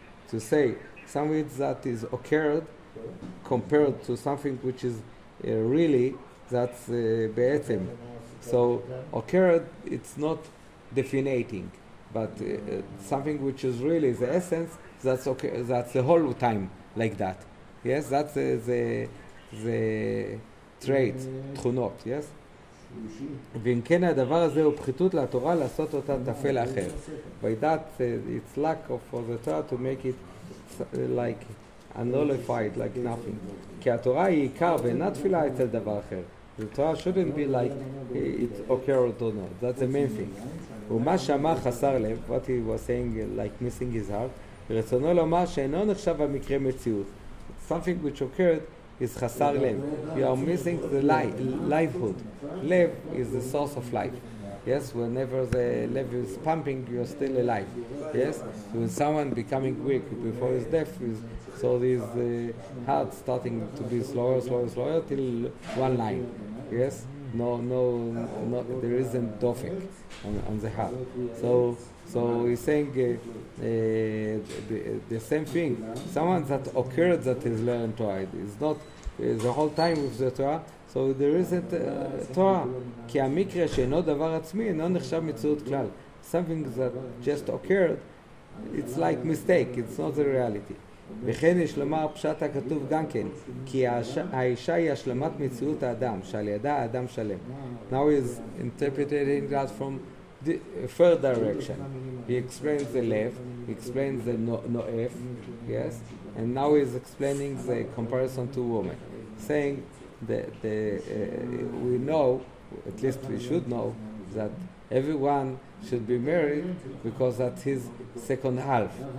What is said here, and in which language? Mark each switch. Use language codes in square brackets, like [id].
[en] To say something that is occurred compared to something which is really, that's בעצם. So occurred, it's not definating, but something which is really the essence, that's okay, that's the whole time like that. Yes, that's the trait, תכונות, yes? [he] ואם כן הדבר הזה הוא פחיתות לתורה לעשות אותה תפל אחר. [en] By that, it's lack of the Torah to make it like annullified, like nothing. [he] כי התורה היא עיקר ואינה תפילה אצל דבר אחר. [en] The Torah shouldn't be like it occurred or not. That's the main thing. [he] ומה שאמר חסר לב, [en] what he was saying, like missing his heart, [he] רצונו לומר שאינו נחשב המקרה מציאות. [en] Something which occurred is חסר לב. You are missing the livelihood. Lev is the source of life. Yes, whenever the lev is pumping, you are still alive. Yes, when someone becoming weak before his death is... So this heart starting to be slower, slower, slower till one line. Yes, no, there isn't dofek on the heart. So he's saying the same thing. Someone that occurred that is learned Torah is not the whole time with the Torah. So there isn't Torah. [he] Ki amikre sheino davar atzmi eino nechshav mitzuot klal. [en] Something that just occurred, it's like mistake. It's not the reality. [he] וכן יש לומר פשט הכתוב גם כן כי האישה היא השלמת מציאות האדם שעל ידה האדם שלם. [en] Now he is interpreting that from the third direction. He explains the lev, he explains the noef, yes, and now he is explaining the comparison to woman, saying that we know, at least we should know, that everyone should be married because that's his second half.